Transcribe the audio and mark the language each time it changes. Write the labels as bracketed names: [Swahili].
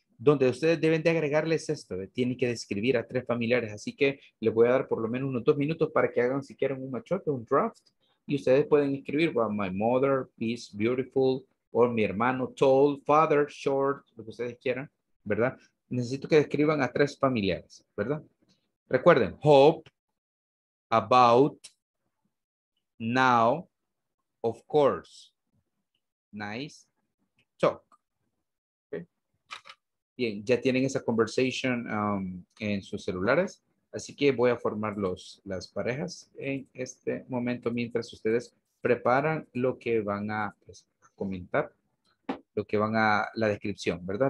[Spanish] donde ustedes deben de agregarles esto, tienen que describir a tres familiares, así que les voy a dar por lo menos unos dos minutos para que hagan si quieren un machote, un draft, y ustedes pueden escribir, [English] well, my mother is beautiful, [Spanish] o mi hermano tall, father short, lo que ustedes quieran, ¿verdad? Necesito que describan a tres familiares, ¿verdad? Recuerden, [English] hope, about, now, of course, nice, talk. [Spanish] Bien, ya tienen esa conversation en sus celulares, así que voy a formar las parejas en este momento mientras ustedes preparan lo que van a comentar, lo que van a la descripción, ¿verdad?